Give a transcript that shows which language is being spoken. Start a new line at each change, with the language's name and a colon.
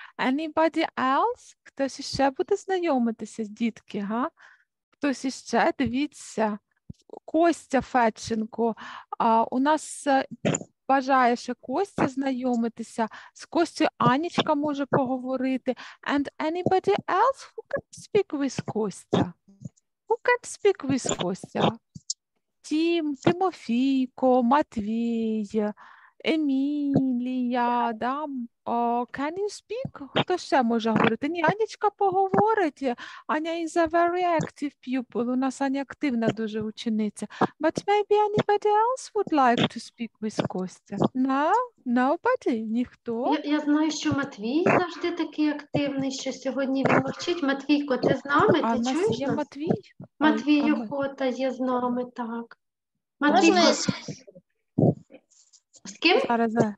English: Anybody else?
Ukrainian: Хтось ще буде знайомитися, дітки, га? Хтось ще? Дивіться. Костя Феченко. У нас... Бажає ще Костя знайомитися, з Костю Анічка може поговорити.
English: And anybody else who can speak with Костя? Who can speak with Костя?
Ukrainian: Тимофійко, Матвій, Емілія, да?
English: Can you speak?
Ukrainian: Хто ще може говорити? Ні, Анічка поговорить.
English: Аня is a very active pupil.
Ukrainian: У нас Аня активна дуже учениця.
English: But maybe anybody else would like to speak with Костя? No? Nobody?
Ukrainian: Ніхто? Я знаю, що Матвій завжди такий активний, що сьогодні він мовчить. Матвійко, ти з нами? А ти чуєш нас? Є Матвій? Матвій Йохота є з нами, так. Матвійко. З ким? Зараз.